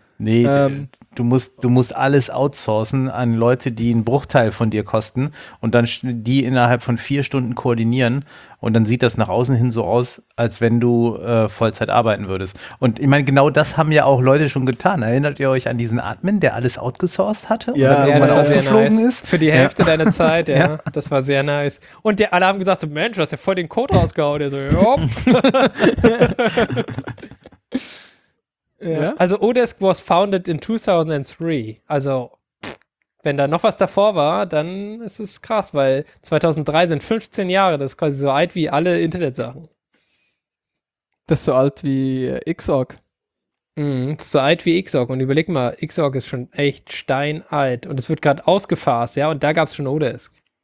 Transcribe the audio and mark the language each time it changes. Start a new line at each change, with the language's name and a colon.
German: Nee, du musst alles outsourcen an Leute, die einen Bruchteil von dir kosten und dann die innerhalb von 4 Stunden koordinieren und dann sieht das nach außen hin so aus, als wenn du Vollzeit arbeiten würdest. Und ich meine, genau das haben ja auch Leute schon getan. Erinnert ihr euch an diesen Admin, der alles outgesourced hatte? Ja, das war sehr nice. Ist? Für die Hälfte deiner Zeit, ja. Das war sehr nice. Und die alle haben gesagt, so, Mensch, du hast ja voll den Code rausgehauen. Der so, jopp. Ja.
English: Also Odesk was founded in 2003.
German: Also, wenn da noch was davor war, dann ist es krass, weil 2003 sind 15 Jahre. Das ist quasi so alt wie alle Internetsachen. Das ist so alt wie Xorg. Das ist so alt wie Xorg. Und überleg mal, Xorg ist schon echt steinalt. Und es wird gerade ausgefasst, ja? Und da gab es schon Odesk.